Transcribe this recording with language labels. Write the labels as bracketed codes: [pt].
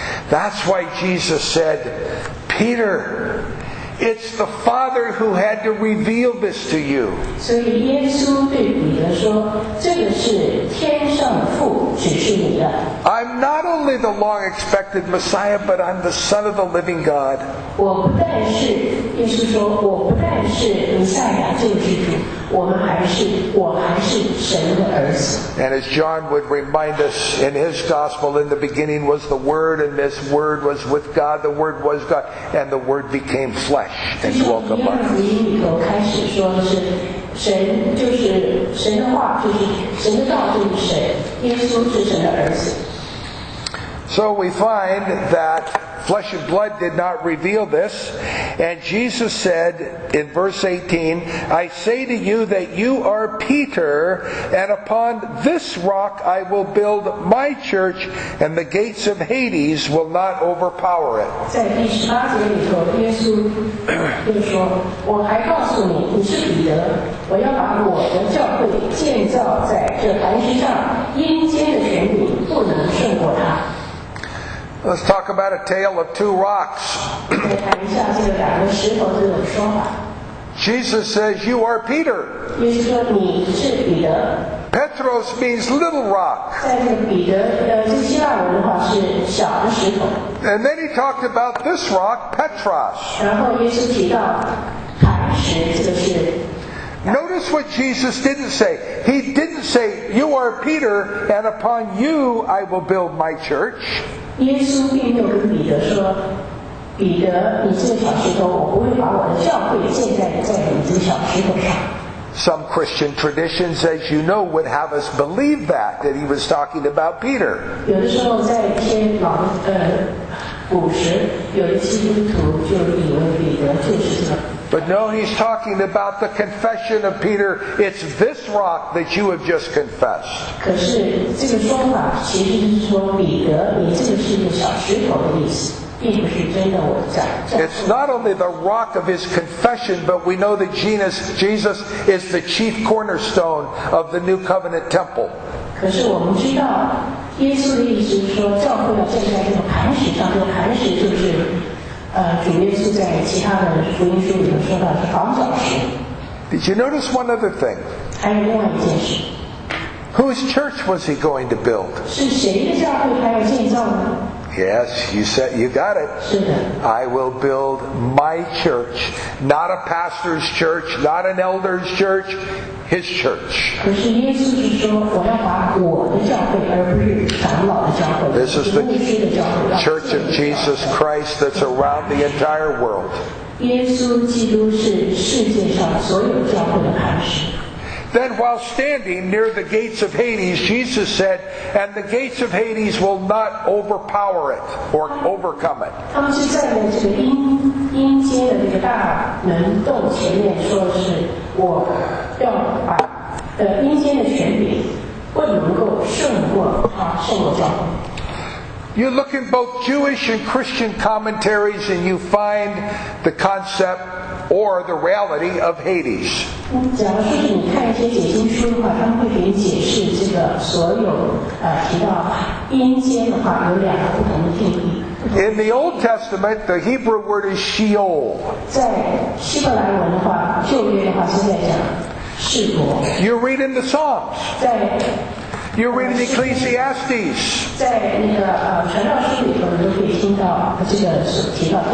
[en] That's why Jesus said, Peter, it's the Father who had to reveal this to you. [zh] 所以耶稣对彼得说，这个是天上父指示你的。 [en] I'm not only the long expected Messiah, but I'm the Son of the living God. [zh] 我不但是，耶稣说，我不但是弥赛亚救世主。我还是神的儿子。 [en] And as John would remind us in his gospel, in the beginning was the Word, and this Word was with God, the Word was God, and the Word became flesh and dwelt among us. [zh] 就像《约翰福音》里头开始说的是，神就是神的话，就是神的道，就是神，耶稣是神的儿子。 [en] So we find that flesh and blood did not reveal this. And Jesus said in verse 18, I say to you that you are Peter, and upon this rock I will build my church, and the gates of Hades will not overpower it. [zh] 在第十八节里头，耶稣就说，我还告诉你，你是彼得，我要把我的教会建造在这磐石上，阴间的权柄不能胜过它。 [en] Let's talk about a tale of two rocks. [zh] 谈一下这个两个石头这种说法。 [en] Jesus says, "You are Peter." [zh] 耶稣说你是彼得。 [en] Petros means little rock. [zh] 在这个彼得，这希腊文的话是小的石头。 [en] And then he talked about this rock, Petros. [zh] 然后耶稣提到磐石，这个是。 [en] Notice what Jesus didn't say. He didn't say, "You are Peter, and upon you I will build my church." [zh] 耶稣并没有跟彼得说，彼得，你这个小石头，我不会把我的教会建在你这个小石头上。 [en] Some Christian traditions, as you know, would have us believe that he was talking about Peter. [zh] 有的时候在一些老古时，有一些基督徒就以为彼得就是这个。 [en] But no, he's talking about the confession of Peter. It's this rock that you have just confessed. [zh] 可是这个说法其实是说彼得，你这个是个小石头的意思。 [en] It's not only the rock of his confession, but we know that Jesus is the chief cornerstone of the New Covenant Temple. [zh] 可是我们知道，耶稣的意思是说，教会要建在这个磐石上，这个磐石就是，主耶稣在其他的福音书里头说到是房角石。 [en] Did you notice one other thing? [zh] 还有另外一件事。 [en] Whose church was he going to build? [zh] 是谁的教会他要建造呢？ [en] Yes, you said you got it. [zh] 是的。 [en] I will build my church, not a pastor's church, not an elder's church, his church. [zh] 可是耶稣是说，我要把我的教会，而不是长老的教会。 [en] This is the church of Jesus Christ that's around the entire world. [zh] 耶稣基督是世界上所有教会的磐石。 [en] Then while standing near the gates of Hades, Jesus said, and the gates of Hades will not overpower it or overcome it. [zh] 他们是站在这个阴间的这个大门洞前面，说的是我要把阴间的权柄不能够胜过它，胜过教会。 [en] You look in both Jewish and Christian commentaries and you find the concept or the reality of Hades. [zh] 假如说你看一些解经书的话，他们会给你解释这个所有提到阴间的话有两个不同的定义。 [en] In the Old Testament, the Hebrew word is Sheol. [zh] 在希伯来文的话，旧约的话是在讲世俗。 [en] You read in the Psalms. [zh] 在 [en] You read in Ecclesiastes. [zh] 在那个传道书里头，你都可以听到这个所提到。